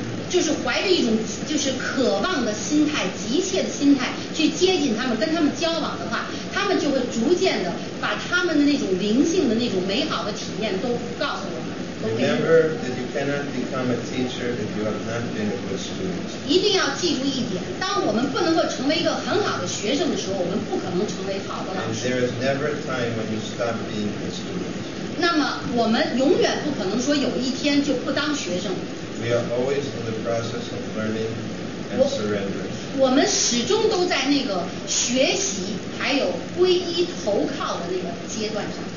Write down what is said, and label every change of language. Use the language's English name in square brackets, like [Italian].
[Chinese] 就是怀着一种就是渴望的心态，急切的心态去接近他们，跟他们交往的话，他们就会逐渐的把他们的那种灵性的那种美好的体验都告诉我们。 [English] Remember that you cannot become a teacher if you have not been a good student. [Chinese] 一定要记住一点，当我们不能够成为一个很好的学生的时候，我们不可能成为好的老师。 [English] And there is never a time when you stop being a student. [Chinese] 那么我们永远不可能说有一天就不当学生。 [English] We are always in the process of learning and surrender. [Chinese] 我们始终都在那个学习还有皈依投靠的那个阶段上。